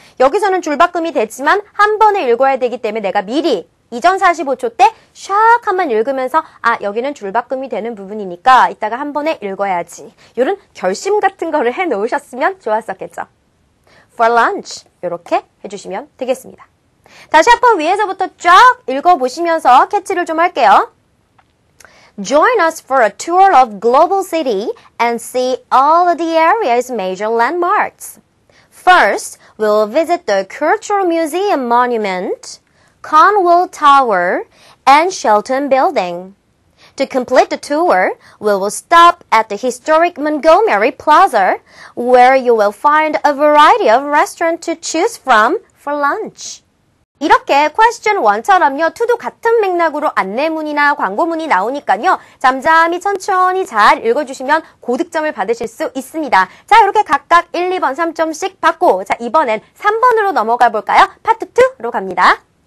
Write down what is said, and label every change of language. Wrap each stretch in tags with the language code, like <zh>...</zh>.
<ko>여기서는 줄바꿈이 됐지만 한 번에 읽어야 되기 때문에 내가 미리 이전 45초 때 샥 한번 읽으면서 아 여기는 줄바꿈이 되는 부분이니까 이따가 한 번에 읽어야지 이런 결심 같은 거를 해놓으셨으면 좋았었겠죠.</ko> <en>For lunch</en> <ko>이렇게 해주시면 되겠습니다. 다시 한번 위에서부터 쫙 읽어보시면서 캐치를 좀 할게요.</ko> <en>Join us for a tour of Global City and see all of the area's major landmarks. First, we'll visit the Cultural Museum Monument, Conwell Tower, and Shelton Building. To complete the tour, we will stop at the historic Montgomery Plaza, where you will find a variety of restaurants to choose from for lunch.</en> <ko>이렇게 question 1처럼요, 2도 같은 맥락으로 안내문이나 광고문이 나오니까요, 잠잠히 천천히 잘 읽어주시면 고득점을 받으실 수 있습니다. 자, 이렇게 각각 1, 2번 3점씩 받고, 자, 이번엔 3번으로 넘어가 볼까요? 파트 2로 갑니다.</ko>